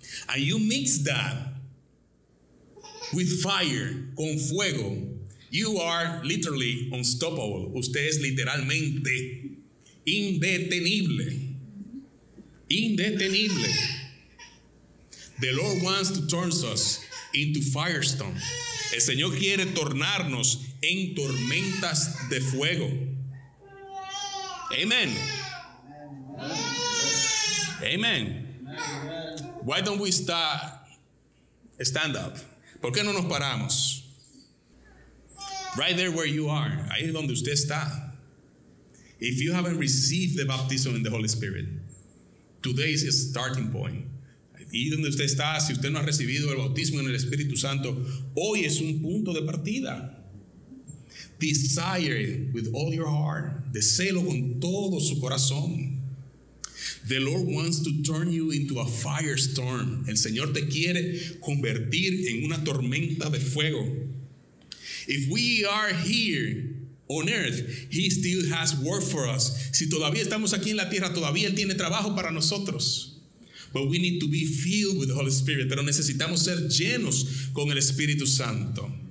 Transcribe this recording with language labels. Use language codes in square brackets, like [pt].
[en] And you mix that with fire, [es] con fuego, [en] you are literally unstoppable. [es] Usted es literalmente indetenible. Indetenible. [en] The Lord wants to turn us into firestorm. [es] El Señor quiere tornarnos en tormentas de fuego. [en] Amen. Amen. Why don't we stand up? [es] ¿Por qué no nos paramos? [en] Right there where you are. [es] Ahí es donde usted está. [en] If you haven't received the baptism in the Holy Spirit, today is a starting point. [es] Ahí donde usted está, si usted no ha recibido el bautismo en el Espíritu Santo, hoy es un punto de partida. [en] Desire it with all your heart. [es] Deséelo con todo su corazón. [en] The Lord wants to turn you into a firestorm. [es] El Señor te quiere convertir en una tormenta de fuego. [en] If we are here on earth, He still has work for us. [es] Si todavía estamos aquí en la tierra, todavía Él tiene trabajo para nosotros. [en] But we need to be filled with the Holy Spirit. [es] Pero necesitamos ser llenos con el Espíritu Santo.